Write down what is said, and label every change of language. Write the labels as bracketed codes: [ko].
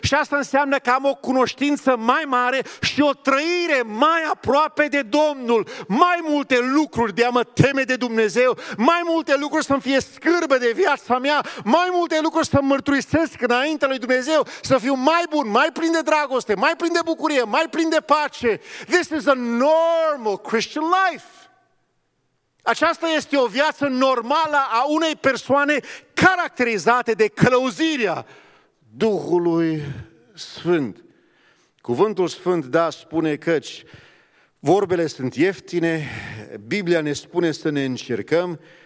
[ro] Și asta înseamnă că am o cunoștință mai mare și o trăire mai aproape de Domnul. Mai multe lucruri de a mă teme de Dumnezeu, mai multe lucruri să-mi fie scârbă de viața mea, mai multe lucruri să-mi mărturisesc înaintea lui Dumnezeu, să fiu mai bun, mai plin de dragoste, mai plin de bucurie, mai plin de pace. [en] This is a normal Christian life. [ro] Aceasta este o viață normală a unei persoane caracterizate de călăuzirea Duhului Sfânt. Cuvântul Sfânt, da, spune căci vorbele sunt ieftine, Biblia ne spune să ne încercăm.